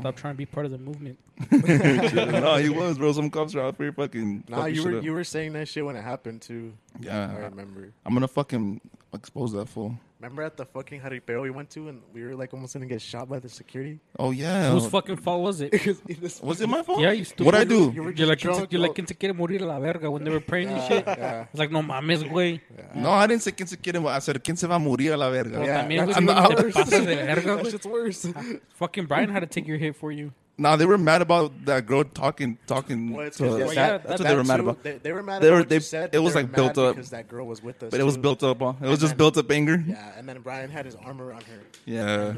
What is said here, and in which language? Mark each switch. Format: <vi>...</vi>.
<en>Stop trying to be part of the movement. No, he was, bro. Some cops are out for your fucking. You were saying that shit when it happened, too. Yeah. I remember. I'm going to fucking expose that fool. Remember at the fucking jaripeo we went to and we were like almost going to get shot by the security? Oh, yeah. Whose fucking fault was it? Was it my fault? Yeah, you stupid. What'd I do? You're like,</en> <es>¿quién se quiere morir a la verga?</es> <en>When they were praying and shit. Yeah. It's like,</en> <es>no mames, güey.</es> <en>Yeah. No, I didn't say,</en> <es>¿quién se quiere morir?</es> <en>I said,</en> <es>¿quién se va a morir a la verga?</es> <en>It's worse. Fucking Brian had to take your hit for you. Nah, they were mad about that girl talking. That's what they were mad about. They were mad about what you said. It was built up. Because that girl was with us. But it was built up. Just built up anger. Yeah, and then Brian had his armor on her. Yeah.</en>